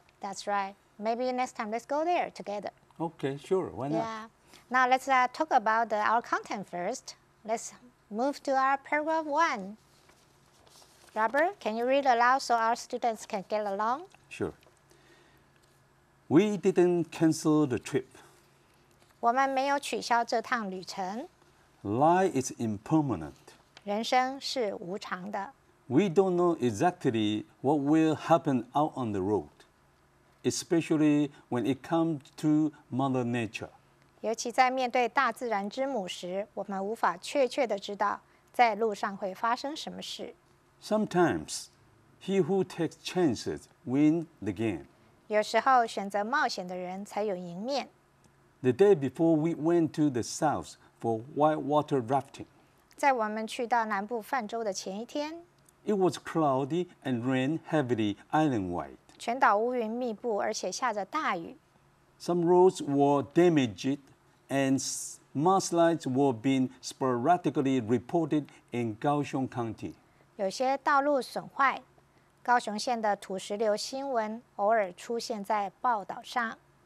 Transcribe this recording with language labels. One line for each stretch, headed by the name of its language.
English: That's right. Maybe next time let's go there together. Okay, sure. Why not? Yeah. Now let's talk about our content first. Let's move to our paragraph one. Robert, can you read aloud so our students can get along? Sure. We didn't cancel the trip.
Chinese: 我们没有取消这趟旅程。
English: Life is impermanent.
Chinese: 人生是无常的。
English: We don't know exactly what will happen out on the road, especially when it comes to Mother Nature.
Chinese: 尤其在面对大自然之母时，我们无法确切地知道在路上会发生什么事。
English: Sometimes, he who takes chances wins the game.
Chinese: 有时候选择冒险的人才有赢面。
English: The day before we went to the south for whitewater rafting.
Chinese: 在我们去到南部泛舟的前一天。
English: It was cloudy and rained heavily island-wide.
Chinese: 全岛乌云密布，而且下着大雨。
English: Some roads were damaged and mudslides were being sporadically reported in Kaohsiung County.
Chinese: 有些道路损坏，高雄县的土石流新闻偶尔出现在报道上。